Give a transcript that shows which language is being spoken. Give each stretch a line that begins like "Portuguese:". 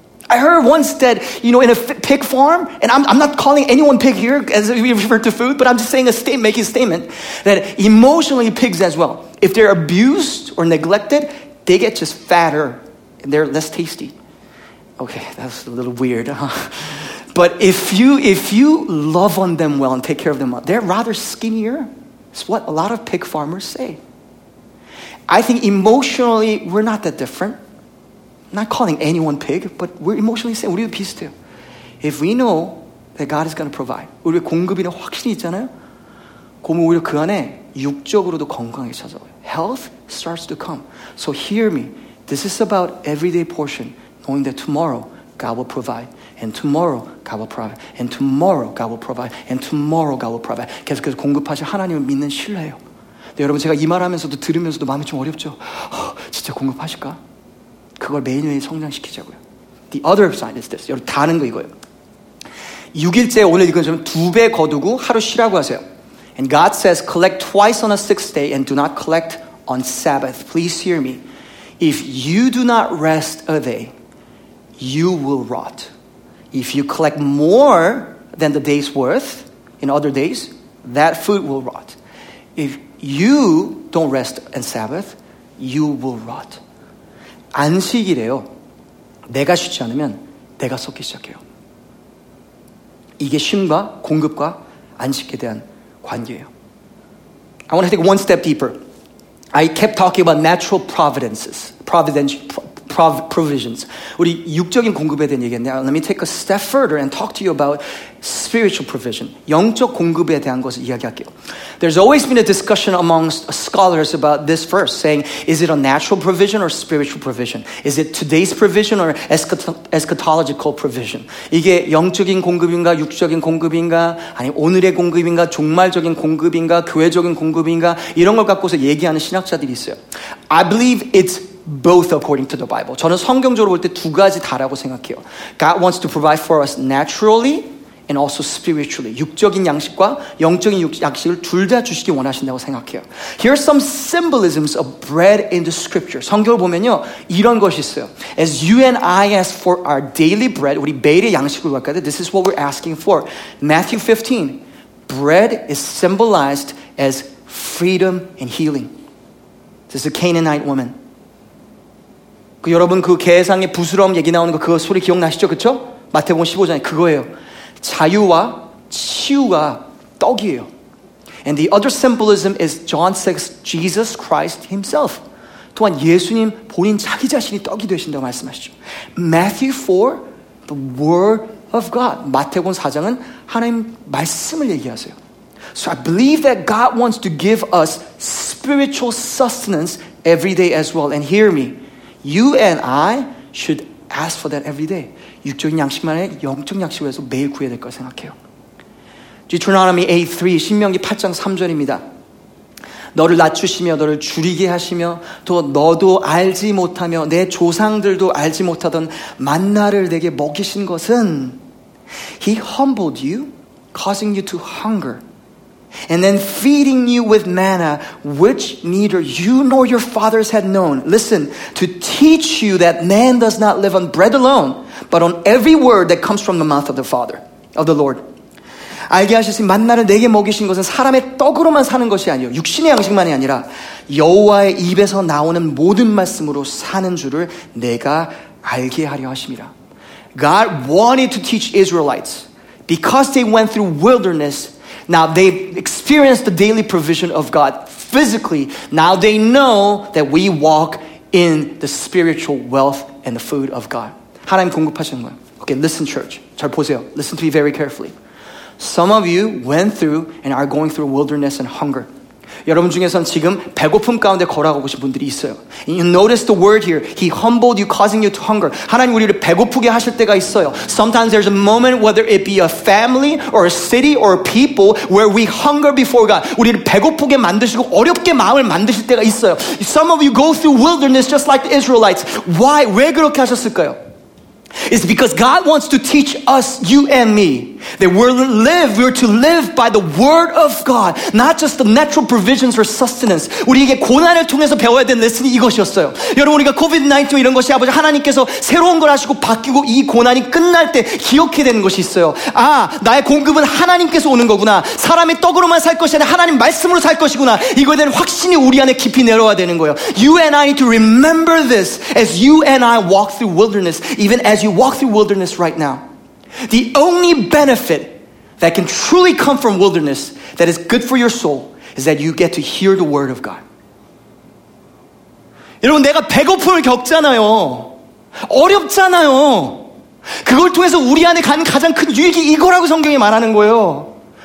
English: I heard once that you know in a pig farm, and I'm not calling anyone pig here as we refer to food, but I'm just saying making a statement that emotionally pigs as well, if they're abused or neglected, they get just fatter and they're less tasty. Okay, that's a little weird, huh? But if you love on them well and take care of them well, they're rather skinnier. It's what a lot of pig farmers say. I think emotionally, we're not that different. I'm not calling anyone pig, but we're emotionally the same.
Korean: 우리도 비슷해요.
English: If we know that God is going to provide,
Korean: 우리 공급이나 확신이 있잖아요. 그러면 오히려 그 안에 육적으로도 건강이 찾아와요.
English: Health starts to come. So hear me. This is about everyday portion, knowing that tomorrow, God will provide. And tomorrow, God will provide. And tomorrow, God will provide. And tomorrow, God will provide.
Korean: 계속해서 공급하실 하나님을 믿는 신뢰예요. 근데 여러분, 제가 이 말하면서도 들으면서도 마음이 좀 어렵죠. 진짜 공급하실까? 그걸 매일매일 성장시키자고요.
English: The other side is this.
Korean: 여러분, 다는 거 이거예요. 6일째 오늘 읽은 것처럼 두 배 거두고 하루 쉬라고 하세요.
English: And God says, collect twice on a sixth day and do not collect on Sabbath. Please hear me. If you do not rest a day, you will rot. If you collect more than the day's worth in other days, that food will rot. If you don't rest on Sabbath, you will rot.
Korean: 안식일에요. 내가 쉬지 않으면 내가 썩기 시작해요. 이게 쉼과 공급과 안식에 대한 관계예요.
English: I want to take one step deeper. I kept talking about natural providences, provisions.
Korean: 우리 육적인 공급에 대한 얘기했는데,
English: let me take a step further and talk to you about spiritual provision.
Korean: 영적 공급에 대한 것을 이야기할게요.
English: There's always been a discussion amongst scholars about this verse, saying, is it a natural provision or spiritual provision? Is it today's provision or eschatological provision?
Korean: 이게 영적인 공급인가, 육적인 공급인가, 아니 오늘의 공급인가, 종말적인 공급인가, 교회적인 공급인가, 이런 걸 갖고서 얘기하는 신학자들이 있어요.
English: I believe it's both according to the Bible.
Korean: 저는 성경적으로 볼 때 두 가지 다라고 생각해요.
English: God wants to provide for us naturally and also spiritually.
Korean: 육적인 양식과 영적인 양식을 둘 다 주시기 원하신다고 생각해요.
English: Here are some symbolisms of bread in the scripture.
Korean: 성경을 보면요. 이런 것이 있어요.
English: As you and I ask for our daily bread,
Korean: 우리 매일의 양식을 갖게 돼,
English: this is what we're asking for. Matthew 15, bread is symbolized as freedom and healing. This is a Canaanite woman.
Korean: 그 여러분 그 계상의 부스럼 얘기 나오는 거 그거 소리 기억나시죠? 그쵸? 마태복음 15장에 그거예요. 자유와 치유가 떡이에요.
English: And the other symbolism is John 6, Jesus Christ himself.
Korean: 또한 예수님 본인 자기 자신이 떡이 되신다고 말씀하시죠.
English: Matthew 4, the word of God.
Korean: 마태복음 4장은 하나님 말씀을 얘기하세요.
English: So I believe that God wants to give us spiritual sustenance every day as well. And hear me. You and I should ask for that every day.
Korean: 육적인 양식만 아니라 영적 양식에서 매일 구해야 될 거 생각해요. Deuteronomy 8:3, 신명기 8장 3절입니다. 너를 낮추시며 너를 줄이게 하시며 또 너도 알지 못하며 내 조상들도 알지 못하던 만나를 내게 먹이신 것은
English: He humbled you, causing you to hunger. And then feeding you with manna, which neither you nor your fathers had known. Listen, to teach you that man does not live on bread alone, but on every word that comes from the mouth of the Father, of the Lord.
Korean: 알게 하셨으니 만나를 내게 먹이신 것은 사람의 떡으로만 사는 것이 아니요 육신의 양식만이 아니라 여호와의 입에서 나오는 모든 말씀으로 사는 줄을 내가 알게 하려 하심이라.
English: God wanted to teach Israelites because they went through wilderness. Now they've experienced the daily provision of God physically. Now they know that we walk in the spiritual wealth and the food of God.
Korean: 하나님 공급하시는 거예요.
English: Okay, listen church.
Korean: 잘 보세요.
English: Listen to me very carefully. Some of you went through and are going through wilderness and hunger.
Korean: 여러분 중에선 지금 배고픔 가운데 걸어가고 계신 분들이 있어요.
English: And you notice the word here. He humbled you, causing you to hunger.
Korean: 하나님 우리를 배고프게 하실 때가 있어요.
English: Sometimes there's a moment, whether it be a family or a city or a people, where we hunger before God.
Korean: 우리를 배고프게 만드시고 어렵게 마음을 만드실 때가 있어요.
English: Some of you go through wilderness just like the Israelites. Why?
Korean: 왜 그렇게 하셨을까요?
English: It's because God wants to teach us, you and me, that we're to live by the word of God, not just the natural provisions or sustenance.
Korean: 우리에게 고난을 통해서 배워야 된 레슨이 이것이었어요. 여러분 우리가 COVID-19 이런 것이 아버지 하나님께서 새로운 걸 하시고 바뀌고 이 고난이 끝날 때 기억해야 되는 것이 있어요. 아, 나의 공급은 하나님께서 오는 거구나. 사람의 떡으로만 살 것이 아니라 하나님 말씀으로 살 것이구나. 이거에 대한 확신이 우리 안에 깊이 내려와야 되는 거예요.
English: You and I need to remember this as you and I walk through wilderness, even as you walk through wilderness right now. The only benefit that can truly come from wilderness that is good for your soul is that you get to hear the word of God.
Korean: 여러분 내가 배고픔을 겪잖아요. 어렵잖아요. 그걸 통해서 우리 안에 가는 가장 큰 유익이 이거라고 성경이 말하는 거예요.